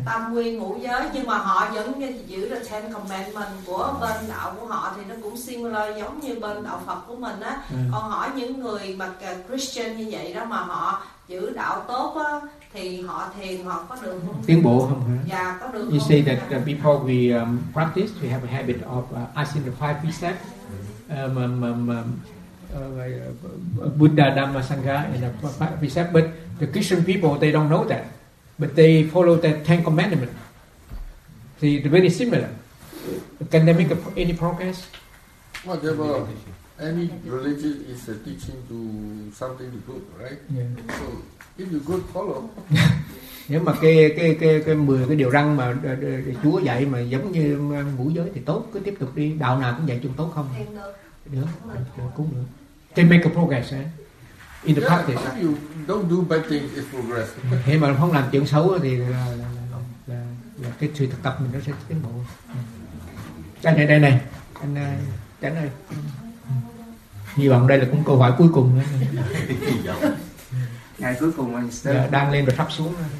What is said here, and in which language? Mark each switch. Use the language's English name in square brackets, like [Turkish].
[Vietnamese] Tâm quy ngũ giới, nhưng mà họ vẫn giữ được Ten Commandment của bên đạo của họ thì nó cũng similar giống như bên đạo Phật của mình á. Con hỏi những người mà Christian như vậy đó mà họ giữ đạo tốt á, thì họ thiền họ có được không? Tiến bộ không hả? Dạ, có được. [English] You say that before we practice, we have a habit of asking the five precepts. Buddha, Dhamma, Sangha, and precept, but the Christian people, they don't know that, but they follow the Ten Commandments. They're very similar. Can they make any progress? Whatever, any religion is a teaching to something good, right? Yeah. So if you good follow. [Vietnamese] Nếu mà cái 10 cái điều răn mà Chúa dạy mà giống như ngũ giới thì tốt, cứ tiếp tục đi, đạo nào cũng dạy chung tốt không? Được, cũng được. [English] They make a progress, eh? In the practice. If you don't do bad things, it's progress. [Vietnamese] Thế mà không làm chuyện xấu thì là cái sự thực tập mình nó sẽ tiến bộ. Anh này, đây này, anh Tránh ơi. Hy vọng đây là cũng câu hỏi cuối cùng. Ngày cuối cùng anh sẽ đang lên rồi thấp xuống.